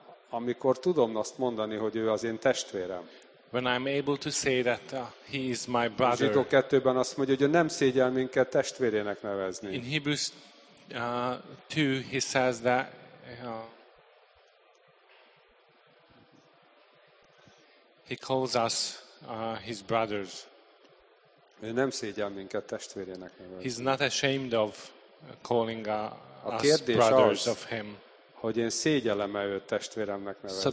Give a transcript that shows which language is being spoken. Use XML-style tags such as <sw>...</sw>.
<hu>amikor tudom azt mondani, hogy ő az én testvérem.</hu> <en>When I'm able to say that he is my brother.</en> <hu>A Zsidók 2-ben azt mondja, hogy ő nem szégyel minket testvérének nevezni.</hu> <en>In Hebrews 2 he says that he calls us his brothers.</en> <hu>Ő nem szégyel minket testvérének nevezni.</hu> <en>He's not ashamed of calling us brothers of him.</en> <hu>hogy én szégyellem-e őt testvéremnek nevezni.</hu>